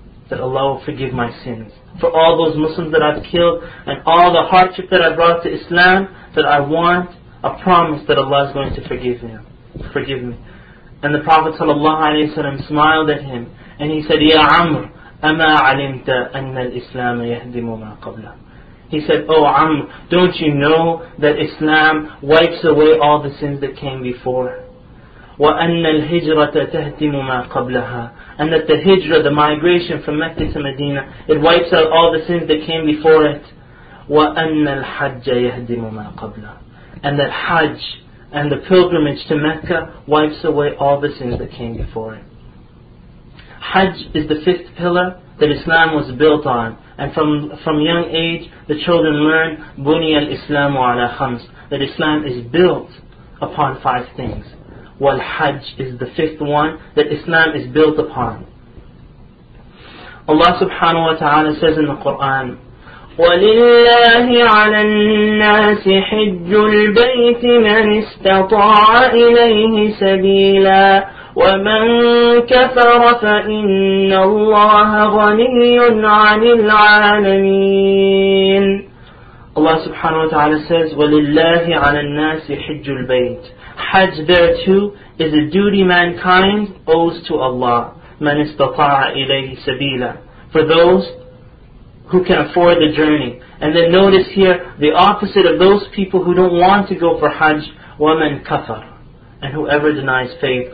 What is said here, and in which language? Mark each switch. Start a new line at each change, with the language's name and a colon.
English: That Allah will forgive my sins. For all those Muslims that I've killed and all the hardship that I brought to Islam, that I want a promise that Allah is going to forgive me. And the Prophet sallallahu alaihi wasallam smiled at him and he said, Ya Amr, ama alimta anna al-Islam yahdimu ma qabla. He said, Oh Amr, don't you know that Islam wipes away all the sins that came before?
Arabic: وأن الهجرة تهدم ما قبلها.
English: And that the hijra, the migration from Mecca to Medina, it wipes out all the sins that came before it.
Arabic: وأن الحج يهدم ما قبلها.
English: And that Hajj and the pilgrimage to Mecca wipes away all the sins that came before it. Hajj is the fifth pillar that Islam was built on. And from young age, the children learn, بني الإسلام على خمس, that Islam is built upon five things. Wal Hajj is the fifth one that Islam is built upon. Allah subhanahu wa ta'ala says in the Quran,
Arabic: ولله على الناس حج البيت من استطاع إليه سبيلا ومن كفر فإن الله غني عن العالمين.
English: Allah subhanahu wa ta'ala says, ولله على الناس حج البيت. Hajj thereto is a duty mankind owes to Allah.
Arabic: من استطاع إليه سبيلا.
English: For those who can afford the journey. And then notice here, the opposite of those people who don't want to go for Hajj, وَمَنْ كَفَرْ, and whoever denies faith.